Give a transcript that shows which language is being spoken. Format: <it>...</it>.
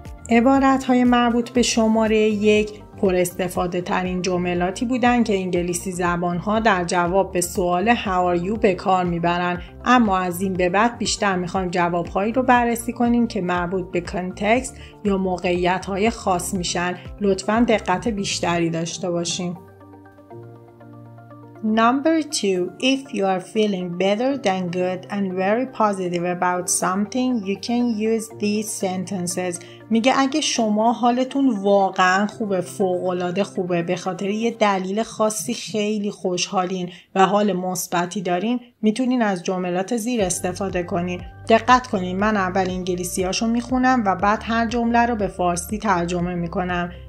<fa>عبارت های مربوط به شماره 1 پر استفاده ترین جملاتی بودن که انگلیسی زبان ها در جواب به سوال</fa> <en>how are you</en> <fa>به کار میبرن، اما از این به بعد بیشتر میخوایم جواب هایی رو بررسی کنیم که مربوط به کانتکست یا موقعیت های خاص میشن. لطفاً دقت بیشتری داشته باشیم.</fa> <en>Number 2. If you are feeling better than good and very positive about something, you can use these sentences.</en> <fa>میگه اگه شما حالتون واقعا خوبه، فوق‌العاده خوبه، به خاطر یه دلیل خاصی خیلی خوشحالین و حال مثبتی دارین، میتونین از جملات زیر استفاده کنین. دقت کنین، من اول انگلیسیاشو میخونم و بعد هر جمله رو به فارسی ترجمه میکنم.</fa>